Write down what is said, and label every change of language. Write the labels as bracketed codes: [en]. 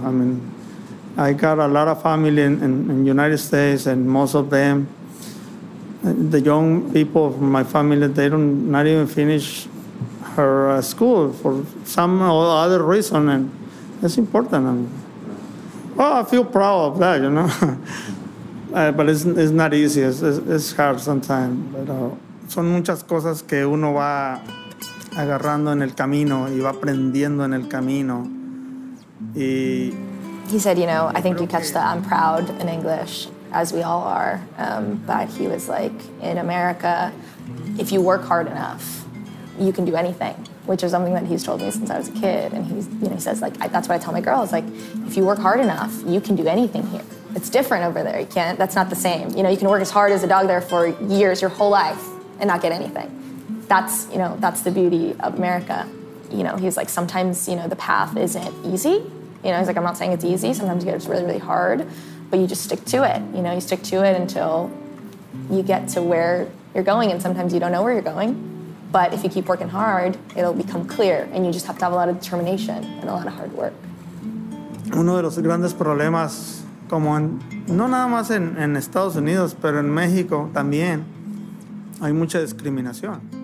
[en] I mean, I got a lot of family in United States, and most of them, the young people from my family, they don't not even finish her school for some or other reason, and that's important. I mean, well, I feel proud of that, you know. but it's not easy. It's hard sometimes, but. [es] Son muchas cosas que uno va agarrando en el camino y va aprendiendo en el camino. Y [en] he said, you know, I think you catch that I'm proud in English, as we all are. But he was like, in America, if you work hard enough, you can do anything, which is something that he's told me since I was a kid. And he's, you know, he says, like, that's what I tell my girls. Like, if you work hard enough, you can do anything here. It's different over there. You can't, that's not the same. You know, you can work as hard as a dog there for years, your whole life, and not get anything. That's, you know, that's the beauty of America. You know, he's like, sometimes, you know, the path isn't easy. You know, he's like, I'm not saying it's easy. Sometimes it's really, really hard, but you just stick to it. You know, you stick to it until you get to where you're going. And sometimes you don't know where you're going. But if you keep working hard, it'll become clear. And you just have to have a lot of determination and a lot of hard work. [es] Uno de los grandes problemas, como en, no nada más en Estados Unidos, pero en México también, hay mucha discriminación.